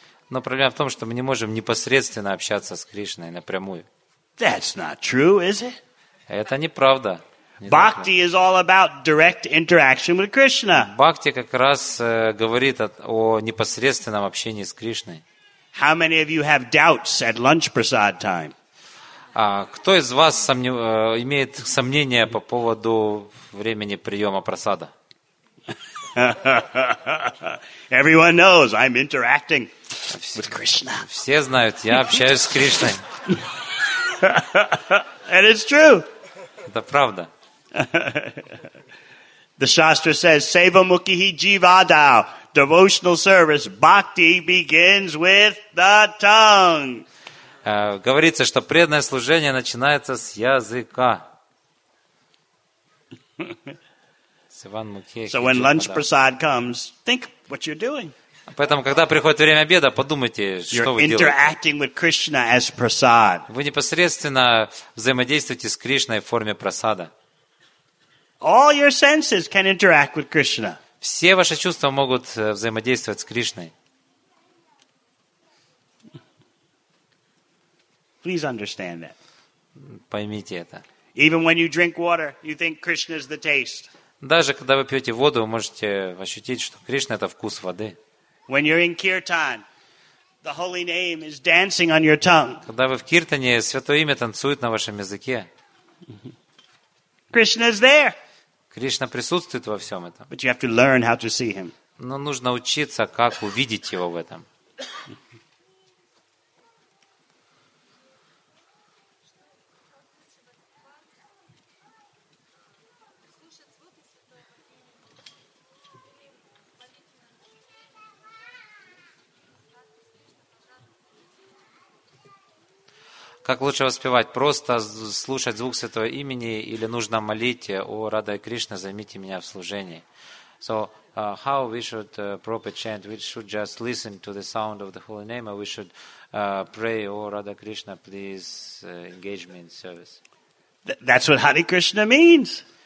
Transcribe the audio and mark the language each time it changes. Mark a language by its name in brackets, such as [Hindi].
[Russian] Но проблема в том, что мы не можем непосредственно общаться с Кришной напрямую. [English] That's not true, is it? [Russian] Это неправда. [English] Bhakti is all about direct interaction with Krishna. [Russian] Бхакти как раз говорит о непосредственном общении с Кришной. [English] How many of you have doubts at lunch prasad time? [Russian] Кто из вас имеет сомнения по поводу времени приема просада? [English] Everyone knows I'm interacting with Krishna. [Russian] Все знают, я общаюсь с Кришной. [English] And it's true. [Russian] Это правда. [English] The Shastra says, Seva Mukhihi Jivadao. Devotional service, bhakti begins with the tongue. [Russian] Говорится, что преданное служение начинается с языка. [English] So when lunch prasad comes, think what you're doing. [Russian] Поэтому, когда приходит время обеда, подумайте, что [English] you're [Russian] вы делаете. [English] Interacting with Krishna as prasad. [Russian] Вы непосредственно взаимодействуете с Кришной в форме просада. [English] All your senses can interact with Krishna. [Russian] Все ваши чувства могут взаимодействовать с Кришной. [English] Please understand that. [Russian] Поймите это. [English] Even when you drink water, you think Krishna is the taste. [Russian] Даже когда вы пьете воду, вы можете ощутить, что Кришна – это вкус воды. [English] When you're in Kirtan, the holy name is dancing on your tongue. [Russian] Когда вы в Киртане, святое имя танцует на вашем языке. [English] Krishna is there. [Russian] Кришна присутствует во всем этом. [English] But you have to learn how to see him. [Russian] Но нужно учиться, как увидеть его в этом. Как лучше воспевать? Просто слушать звук Святого Имени или нужно молить «О, Рада и Кришна, займите меня в служении». [English] So, how we should proper chant? We should just listen to the sound of the Holy Name or we should pray [Russian] «О, Рада и Кришна, [English] please engage me in service». That's what Hare Krishna means.